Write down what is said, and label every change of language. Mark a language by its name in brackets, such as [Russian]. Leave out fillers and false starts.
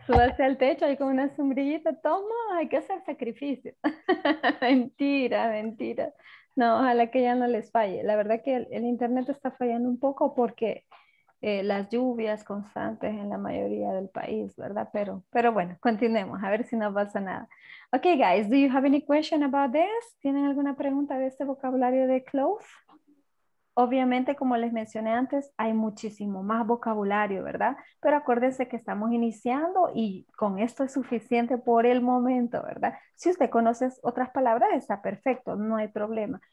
[Spanish] Súbase al techo ahí con una sombrillita. Toma, hay que hacer sacrificio. mentira. No, ojalá que ya no les falle. La verdad que el internet está fallando un poco porque las lluvias constantes en la mayoría del país, ¿verdad? Pero bueno, continuemos, a ver si no pasa nada. [English] Okay, guys, do you have any question about this? [Spanish] ¿Tienen alguna pregunta de este vocabulario de cloth? Obviamente, como les mencioné antes, hay muchísimo más vocabulario, ¿verdad? Pero acuérdense que estamos iniciando y con esto es suficiente por el momento, ¿verdad? Si usted conoce otras palabras, está perfecto, no hay problema.